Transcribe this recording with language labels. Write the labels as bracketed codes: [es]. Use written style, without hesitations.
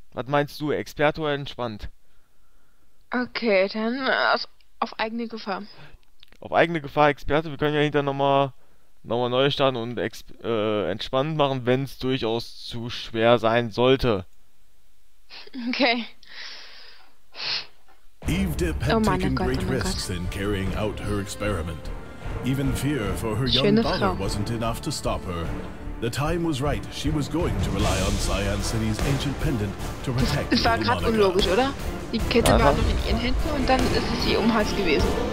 [de] Was meinst du, Experte oder entspannt? Okay, dann auf eigene Gefahr. Auf eigene Gefahr, Experte. Wir können ja hinterher nochmal neu starten und entspannt machen, wenn es durchaus zu schwer sein sollte. Okay. [en] Eve Dip had taken great risks in carrying out her experiment. Even fear for her young daughter wasn't enough to stop her. The time was right, she was going to rely on Xi'an City's ancient pendant to protect [de] her. Das war gerade unlogisch, oder? Die Kette war noch in ihren Händen und dann ist es ihr um Hals gewesen.